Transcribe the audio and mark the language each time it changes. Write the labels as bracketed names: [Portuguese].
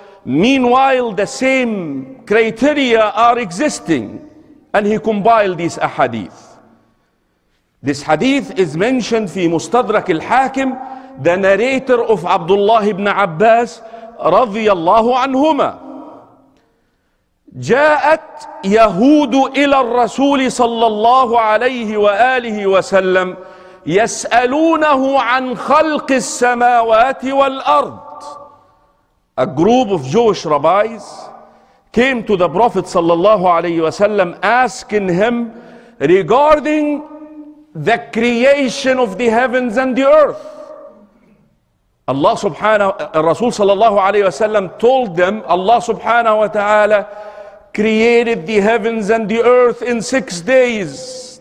[English] Meanwhile, the same criteria are existing, and he compiled these ahadith. This hadith is mentioned [Arabic] في مستدرك الحاكم, [English] the narrator of Abdullah ibn Abbas رضي الله عنهما. [Arabic] جاءت يهود إلى الرسول صلى الله عليه وآله وسلم يسألونه عن خلق السماوات والأرض. [English] A group of Jewish rabbis came to the Prophet صلى الله عليه وسلم asking him regarding the creation of the heavens and the earth. Allah subhanahu, Rasul sallallahu alayhi wa sallam told them, Allah subhanahu wa ta'ala created the heavens and the earth in 6 days.